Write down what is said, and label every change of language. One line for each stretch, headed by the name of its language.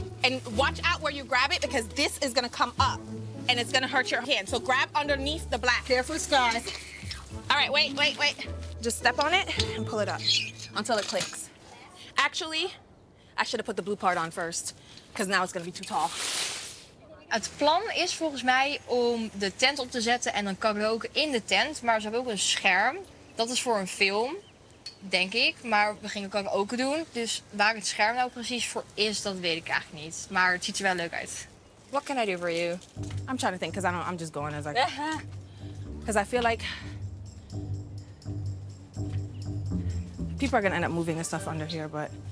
English: And watch out where you grab it, because this is gonna come up. And it's gonna hurt your hand. So grab underneath the black. Careful, Sky. All right, wait. Just step on it and pull it up until it clicks. Actually, I should have put the blue part on first, because now it's gonna be too tall.
Dutch: Het plan is volgens mij om de tent op te zetten en dan kan roken in de tent. Maar ze hebben ook een scherm. Dat is voor een film, denk ik. Maar we gingen kan ook doen. Dus waar het scherm nou precies voor is, dat weet ik eigenlijk niet. Maar het ziet er wel leuk uit.
English: What can I do for you? I'm trying to think, because I'm just going as I can. Because I feel like people are going to end up moving the stuff under here, but